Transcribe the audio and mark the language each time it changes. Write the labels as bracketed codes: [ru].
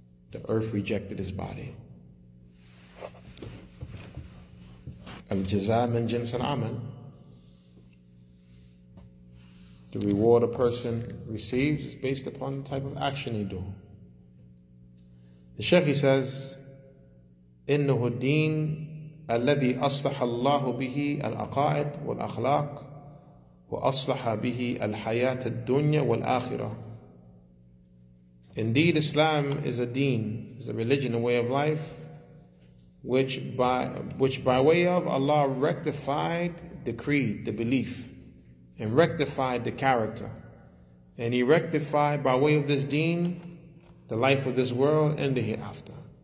[en] The earth rejected his body. [ar] Al-jaza min jins al-amal. [en] The reward a person receives is based upon the type of action they do. The Shaykh, he says, [ar] إِنَّهُ الدِّينَ الَّذِي أَصْلَحَ اللَّهُ بِهِ الْأَقَائِدِ وَالْأَخْلَاقِ وَأَصْلَحَ بِهِ الْحَيَاةِ الدُّنْيَا وَالْآخِرَةِ. [en] Indeed, Islam is a deen, is a religion, a way of life, which by way of Allah rectified the creed, the belief, and rectified the character. And he rectified by way of this deen the life of this world and the hereafter.